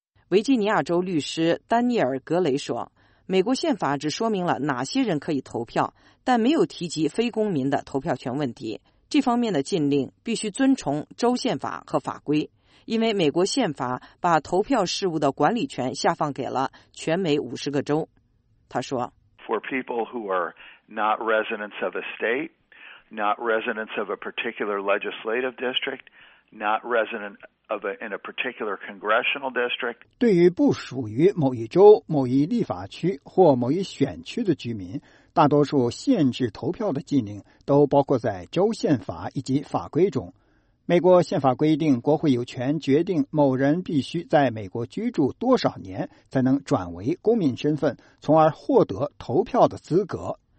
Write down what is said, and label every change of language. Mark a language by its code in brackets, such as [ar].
[zh] 维吉尼亚州律师丹尼尔·格雷说，美国宪法只说明了哪些人可以投票，但没有提及非公民的投票权问题。这方面的禁令必须遵从州宪法和法规，因为美国宪法把投票事务的管理权下放给了全美50个州。他说， [en] For people who are not residents of a state, not residents of a particular legislative district, not resident of in a particular congressional district. [zh] 对于不属于某一州、某一立法区或某一选区的居民，大多数限制投票的禁令都包括在州宪法以及法规中。美国宪法规定，国会有权决定某人必须在美国居住多少年才能转为公民身份，从而获得投票的资格。